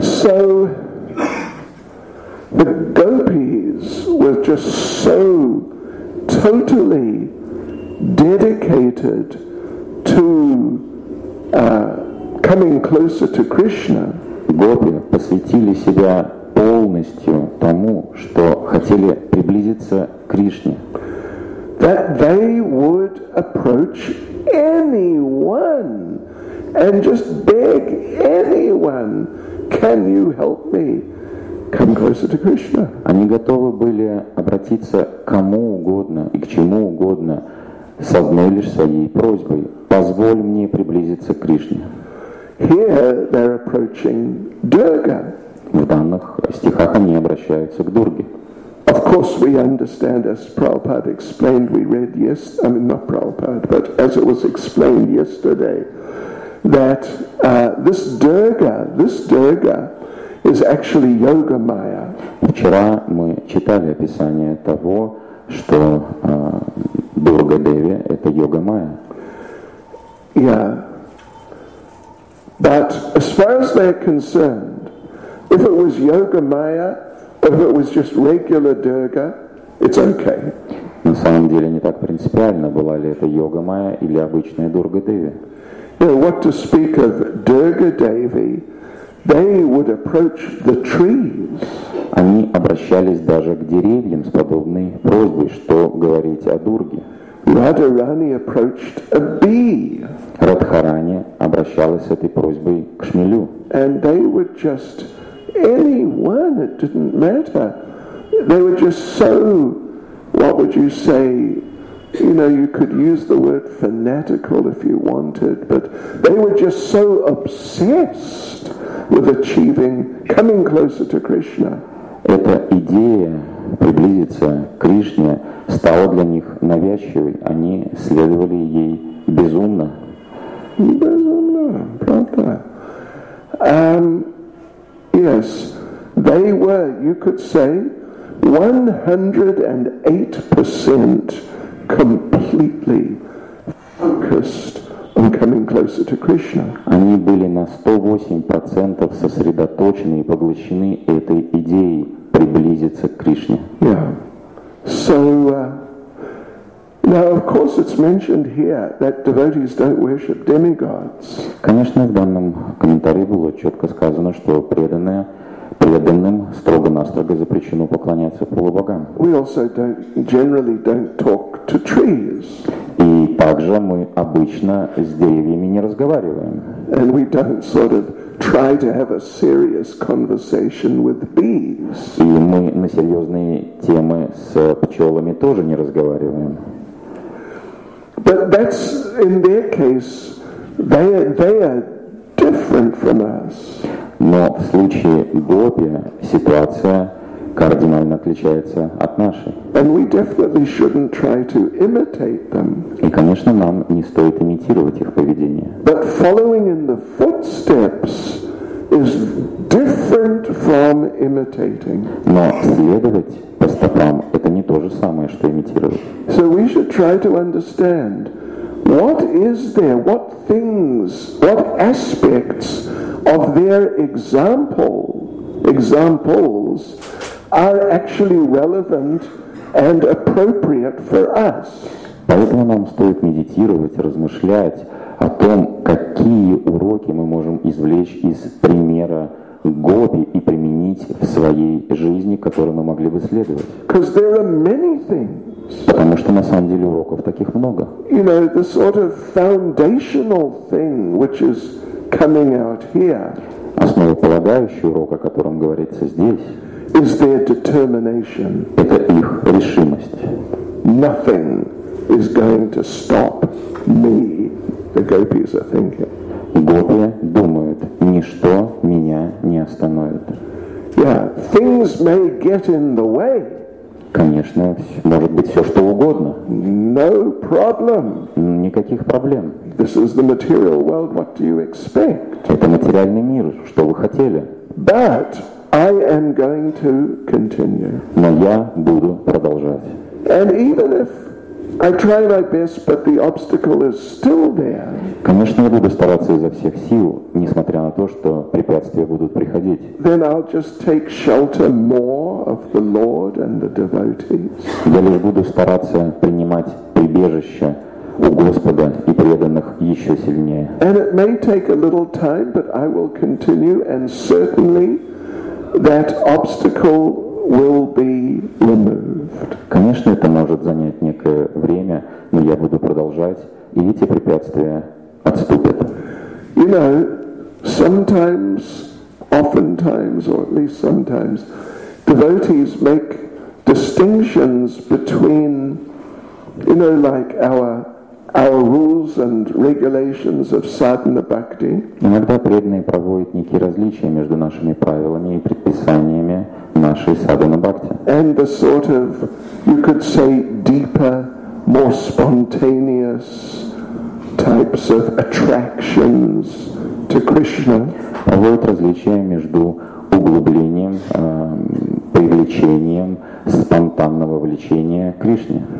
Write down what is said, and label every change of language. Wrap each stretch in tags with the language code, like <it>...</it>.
<en>So the gopis were just so totally dedicated to coming closer to Krishna.</en> <ru>Гопи посвятили себя полностью тому, что хотели приблизиться к Кришне.</ru> <en>That they would approach anyone and just beg anyone, can you help me come closer to Krishna?</en> <ru>Они готовы были обратиться к кому угодно и к чему угодно с одной лишь своей просьбой: позволь мне приблизиться к Кришне.</ru> <en>Here they're approaching Durga.</en> <ru>В данных стихах они обращаются к Дурге.</ru> <en>Of course, we understand, as Prabhupada explained, we read yesterday. I mean, not Prabhupada, but as it was explained yesterday, that this Durga, is actually Yoga Maya.</en> <ru>Вчера мы читали описание того, что Дурга Деви — это Йога Майя.</ru> <en>Yeah. But as far as they're concerned, if it was Yoga Maya, if it was just regular Durga, it's okay.</en> <ru>На самом деле не так принципиально, была ли это Йога Майя или обычная Дурга Деви.</ru> <en>You know, what to speak of Durga Devi, they would approach the trees.</en> <ru>Они обращались даже к деревьям с подобной просьбой, что говорить о Дурге.</ru> <en>Radharani approached a bee.</en> <ru>Радхарани обращалась с этой просьбой к шмелю.</ru> <en>And they would just anyone, it didn't matter. They were just so, what would you say, you know, you could use the word fanatical if you wanted, but they were just so obsessed with achieving, coming closer to Krishna.</en> <ru>Эта идея приблизиться к Кришне стала для них навязчивой. Они следовали ей безумно. Безумно, правда.</ru> <en>Yes, they were, you could say, 108% completely focused on coming closer to Krishna.</en> <ru>Они были на 108% сосредоточены и поглощены этой идеей приблизиться к Кришне.</ru> <en>Yeah. So, Now, of course, it's mentioned here that devotees don't worship demigods.</en> <ru>Конечно, в данном комментарии было четко сказано, что преданные преданным строго-настрого запрещено поклоняться полубогам.</ru> <en>We also don't, generally don't talk to trees.</en> <ru>И также мы обычно с деревьями не разговариваем.</ru> <en>And we don't sort of try to have a serious conversation with bees.</en> <ru>И мы на серьезные темы с пчелами тоже не разговариваем.</ru> <en>But that's in their case, they are different from us.</en> <ru>Но в случае гопи ситуация кардинально отличается от нашей.</ru> <en>And we definitely shouldn't try to imitate them.</en> <ru>И, конечно, нам не стоит имитировать их поведение.</ru> <en>But following in the footsteps is different from imitating.</en> <ru>Но следовать по стопам – это не то же самое, что имитировать.</ru> <en>So we should try to understand what is there, what things, what aspects of their examples are actually relevant and appropriate for us.</en> <ru>Поэтому нам стоит медитировать, размышлять о том, какие уроки мы можем извлечь из примера гопи и применить в своей жизни, которые мы могли бы следовать.</ru> <en>Because there are many things.</en> <ru>Потому что на самом деле уроков таких много.</ru> <en>You know, the sort of foundational thing which is coming out here.</en> <ru>Основополагающий урок, о котором говорится здесь,</ru> <en>is their determination.</en> <ru>Это их решимость.</ru> <en>Nothing is going to stop me, the gopis are thinking.</en> <ru>Гопи думают, ничто меня не остановит.</ru> <en>Yeah, things may get in the way.</en> <ru>Конечно, может быть все что угодно.</ru> <en>No problem.</en> <ru>Никаких проблем.</ru> <en>This is the material world. What do you expect?</en> <ru>Это материальный мир. Что вы хотели?</ru> <en>But I am going to continue.</en> <ru>Но я буду продолжать.</ru> <en>And even if I try my best, but the obstacle is still there.</en> <ru>Конечно, я буду стараться изо всех сил, несмотря на то, что препятствия будут приходить.</ru> <en>Then I'll just take shelter more of the Lord and the devotees.</en> <ru>Я лишь буду стараться принимать прибежище у Господа и преданных еще сильнее.</ru> <en>And it may take a little time, but I will continue, and certainly that obstacle will be removed.</en> <ru>Конечно, это может занять некое время, но я буду продолжать, и эти препятствия отступят.</ru> <en>You know, sometimes, oftentimes, or at least sometimes, devotees make distinctions between, you know, like our rules and regulations of sadhana bhakti.</en> <ru>Иногда преданные проводят некие различия между нашими правилами и предписаниями нашей садхана бхакти.</ru> <en>And the sort of, you could say, deeper, more spontaneous types of attractions to Krishna.</en> <ru>Проводят различия между углублением, привлечением, спонтанного влечения к Кришне.</ru>